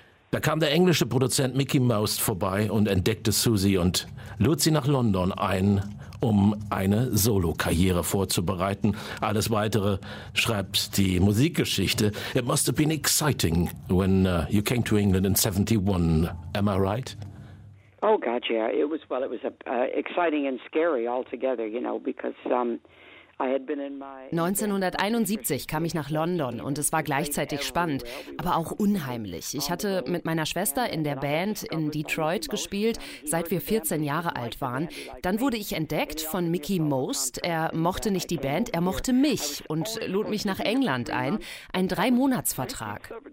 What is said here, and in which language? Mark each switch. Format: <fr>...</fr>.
<de>Da kam der englische Produzent Mickey Mouse vorbei und entdeckte Susie und lud sie nach London ein, um eine Solo-Karriere vorzubereiten. Alles Weitere schreibt die Musikgeschichte.</de> <en>It must have been exciting when you came to England in 71, am I right? Oh God, yeah. It was exciting and scary altogether, you know, because</en> <de>1971 kam ich nach London und es war gleichzeitig spannend, aber auch unheimlich. Ich hatte mit meiner Schwester in der Band in Detroit gespielt, seit wir 14 Jahre alt waren. Dann wurde ich entdeckt von Mickey Most. Er mochte nicht die Band, er mochte mich und lud mich nach England ein. Ein 3-Monats-Vertrag.</de>